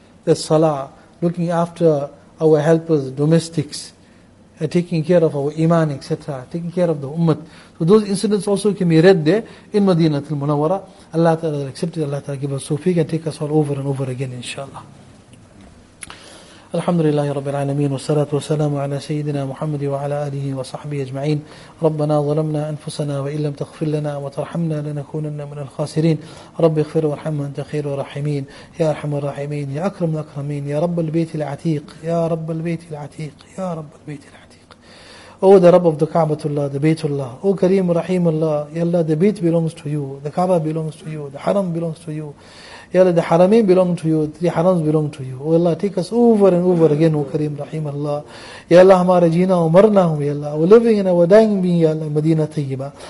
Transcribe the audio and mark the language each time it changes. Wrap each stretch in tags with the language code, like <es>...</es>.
<en>The salah, looking after our helpers, domestics, taking care of our iman, etc., taking care of the ummah. So those incidents also can be read there in Madinatul Munawwara. Allah Ta'ala accepted, Allah Ta'ala give us sufiq and take us all over and over again, inshaAllah.</en> <ar>الحمد لله رب العالمين والصلاة والسلام على سيدنا محمد وعلى آله وصحبه أجمعين ربنا ظلمنا أنفسنا وإن لم تغفر لنا وترحمنا لنكونن من الخاسرين رب اغفر وارحم أنت خير الراحمين يا أرحم الراحمين يا أكرم الأكرمين يا رب البيت العتيق يا رب البيت العتيق يا رب البيت العتيق</ar> <en>Oh the Rabb of the Kaaba to Allah, the Baytullah. Oh Kareem Rahim Allah, Ya Allah, the Bayt belongs to you. The Kaaba belongs to you. The Haram belongs to you. Ya Allah, the Harameen belong to you, three Harams belong to you. O Allah, take us over and over again, O Kareem Rahim Allah. Ya Allah,</en> <ur>humara jina wa marna hum,</ur> <en>Ya Allah. We're living in our dying being, Ya Allah, Medina Tayyiba.</en>